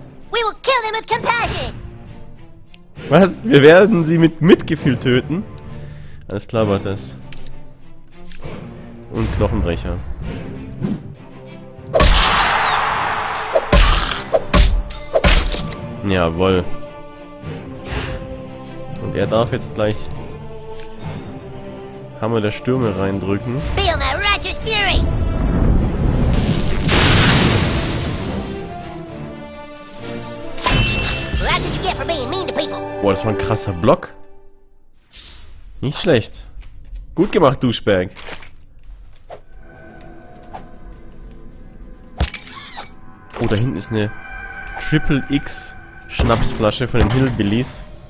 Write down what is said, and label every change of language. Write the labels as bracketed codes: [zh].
[en] We will kill them with compassion. [de] Was? Wir werden sie mit Mitgefühl töten? Alles klar, war das. Und Knochenbrecher. Jawohl. Und er darf jetzt gleich Hammer der Stürme reindrücken. [en] Feel my righteous fury. That's what you get for being mean to people. [de] Boah, das war ein krasser Block. Nicht schlecht. Gut gemacht, Duschberg. Oh, da hinten ist eine Triple X Schnapsflasche von den Hillbillies.